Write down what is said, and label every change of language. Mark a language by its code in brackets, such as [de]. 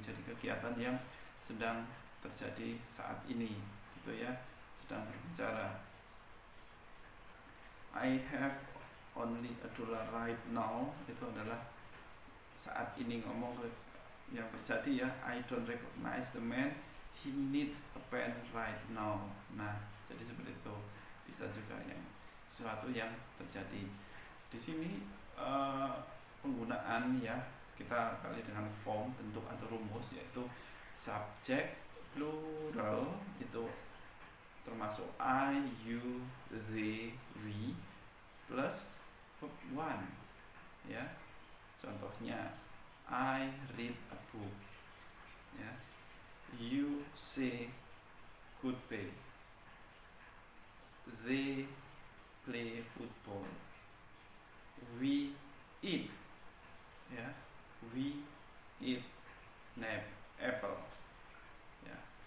[id] Jadi kegiatan yang sedang terjadi saat ini gitu ya, sedang berbicara. [en] I have only a dollar right now, [id] itu adalah saat ini ngomong yang terjadi ya. [en] I don't recognize the man, he need a pen right now. [id] Nah, jadi seperti itu. Bisa juga yang sesuatu yang terjadi di sini, penggunaan ya, kita kali dengan form, bentuk atau rumus, yaitu subjek plural itu termasuk I, you, they, we plus verb one ya. [en] Contohnya I read a book ya, you say good day, they play football, we eat ya, we eat nap apple ya.